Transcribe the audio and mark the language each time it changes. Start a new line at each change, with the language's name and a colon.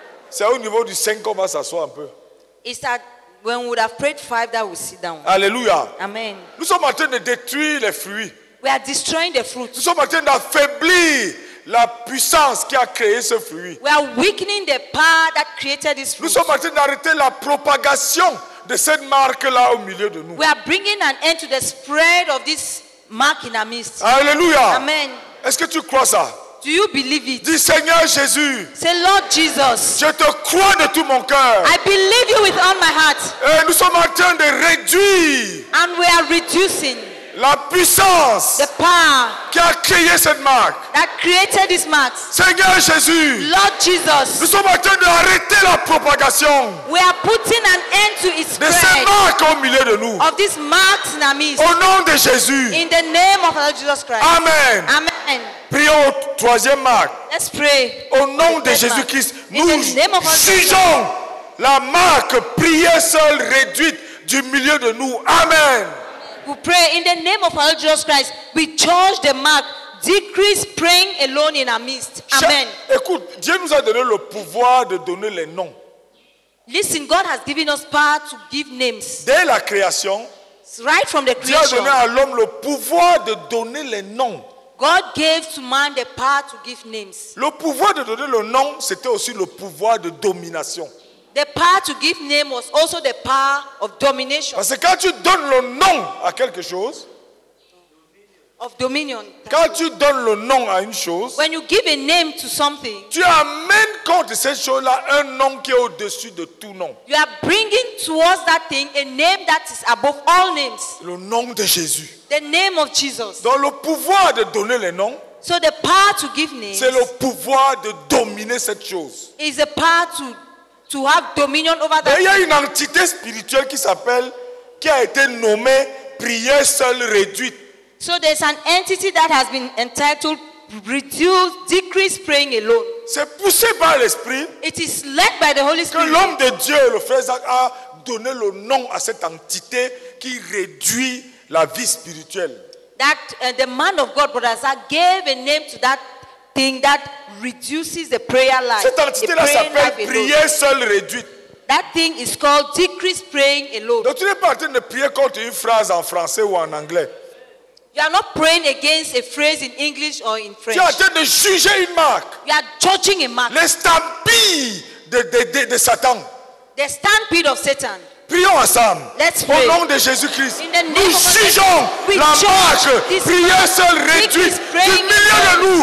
French: C'est au niveau du 5 qu'on va s'asseoir un peu.
English: It's that when we would have prayed 5 that we sit down.
French: Alléluia. Amen. Nous sommes en train de détruire les fruits.
English: We are destroying the fruit.
French: Nous sommes en train d'affaiblir la puissance qui a créé ce fruit.
English: We are weakening the power that created this fruit.
French: Nous sommes en train d'arrêter la propagation de cette marque là au milieu de nous.
English: We are bringing an end to the spread of this mark in our midst.
French: Alléluia. Amen. Est-ce que tu crois ça?
English: Do you believe it?
French: Dis Seigneur Jésus.
English: Say Lord Jesus.
French: Je te crois de tout mon cœur.
English: I believe you with all my heart.
French: Et nous sommes en train de réduire.
English: And we are reducing.
French: La puissance.
English: The power.
French: Qui a créé cette marque.
English: That created this mark.
French: Seigneur Jésus.
English: Lord Jesus.
French: Nous sommes en train de arrêter la propagation.
English: We are putting an end to its spread.
French: De cette marque au milieu de nous.
English: Of this mark in our midst.
French: Au nom de Jésus.
English: In the name of Lord Jesus Christ.
French: Amen. Amen. Prions au troisième marque.
English: Let's pray.
French: Au nom de Jésus-Christ, nous jugeons la marque prière seule réduite du milieu de nous. Amen.
English: We pray in the name of our Lord Jesus Christ. We judge the mark. Decrease praying alone in our midst. Amen.
French: Écoute, Dieu nous a donné le pouvoir de donner les noms.
English: Listen, God has given us power to give names.
French: Dès la création,
English: right from the creation,
French: Dieu a donné à l'homme le pouvoir de donner les noms.
English: God gave to man the power to give names.
French: Le pouvoir de donner le nom, c'était aussi le pouvoir de domination.
English: The power to give name was also the power of domination.
French: Parce que quand tu donnes le nom à quelque chose,
English: of dominion.
French: Quand tu donnes le nom à une chose,
English: when you give a name to something,
French: tu amènes contre cette chose-là un nom qui est au-dessus de tout nom.
English: You are bringing towards that thing a name that is above all names.
French: Le nom de Jésus.
English: The name of Jesus.
French: Donc le pouvoir de donner les noms.
English: So the power to give names.
French: C'est le pouvoir de dominer cette chose.
English: Is the power to have dominion over that.
French: Il y a une entité spirituelle qui s'appelle qui a été nommée prière seule réduite.
English: So there's an entity that has been entitled reduce, decrease praying alone.
French: C'est poussé par l'esprit.
English: It is led by the Holy Spirit.
French: Que l'homme de Dieu, le frère Zach, a donné le nom à cette entité qui réduit la vie spirituelle.
English: That the man of God, Brother Zach, gave a name to that thing that reduces the prayer life.
French: Cette entité-là s'appelle prière seule réduite.
English: That thing is called decreased praying alone.
French: Donc tu n'es pas en train de prier contre une phrase en français ou en anglais.
English: You are not praying against a phrase in English or in French.
French: Tu es en train de juger une marque.
English: You are judging a mark.
French: L'estampille de Satan.
English: The stampede of Satan.
French: Prions ensemble.
English: Let's pray.
French: Au nom de Jésus-Christ. Nous jugeons la marque prière seule réduite du milieu de nous.